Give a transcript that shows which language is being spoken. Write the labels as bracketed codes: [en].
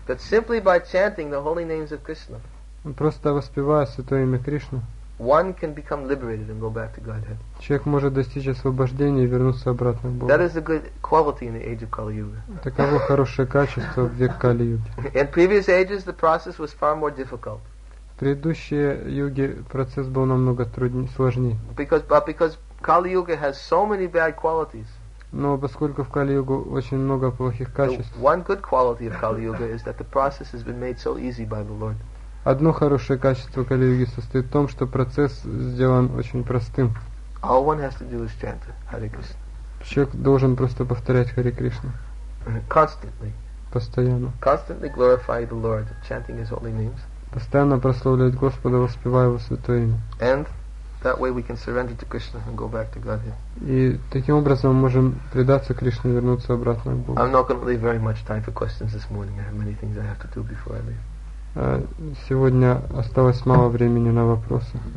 [en] That simply by chanting the holy names of Krishna. [ru] Просто воспевая святое имя Кришны. [en] One can become liberated and go back to Godhead. [ru] Человек может достичь освобождения и вернуться обратно к Богу. [en] That is a good quality in the age of Kali Yuga. [ru] Таково хорошее качество в век Кали Юги. [en] In previous ages, the process was far more difficult. [ru] В предыдущие юги процесс был намного труднее, сложнее. [en] Because Kali Yuga has so many bad qualities. [ru] Но поскольку в Кали Югу очень много плохих качеств. [en] One good quality of Kali Yuga is that the process has been made so easy by the Lord. [ru] Одно хорошее качество Кали-юги состоит в том, что процесс сделан очень простым. [en] All one has to do is chant Hare Krishna. [ru] Человек должен просто повторять Hare Krishna. [en] Constantly. [ru] Постоянно. [en] Constantly glorify the Lord, chanting His holy names. [ru] Постоянно прославлять Господа, воспевая Его святое имя. [en] And that way we can surrender to Krishna and go back to Godhead. [ru] И таким образом мы можем предаться Кришне и вернуться обратно к Богу. [en] I'm not going to leave very much time for questions this morning. I have many things I have to do before I leave. [ru] Сегодня осталось мало времени на вопросы.